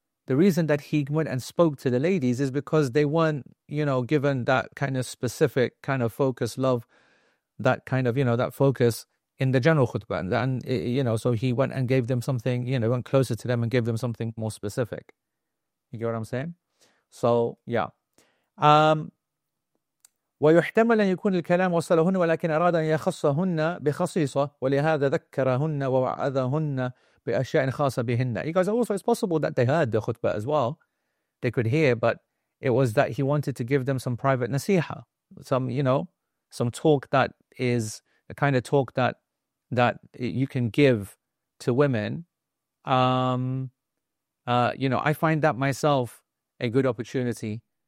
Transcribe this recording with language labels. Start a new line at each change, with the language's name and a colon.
English: The reason that he went and spoke to the ladies is because they weren't, you know, given that kind of specific kind of focus, love, that kind of, you know, that focus in the general khutbah. And, you know, so he went and gave them something, you know, went closer to them and gave them something more specific. You get what I'm saying? So, yeah.
Arabic: ويحتمل أن يكون الكلام وصلهن ولكن أراد أن يخصهن بخصيصة ولهذا ذكرهن ووعظهن بأشياء خاصة بهن.
English: He goes, also it's possible that they heard the khutbah as well. They could hear, but it was that he wanted to give them some private nasiha, some, you know, some talk that is a kind of talk that you can give to women. You know, I find that myself a good opportunity.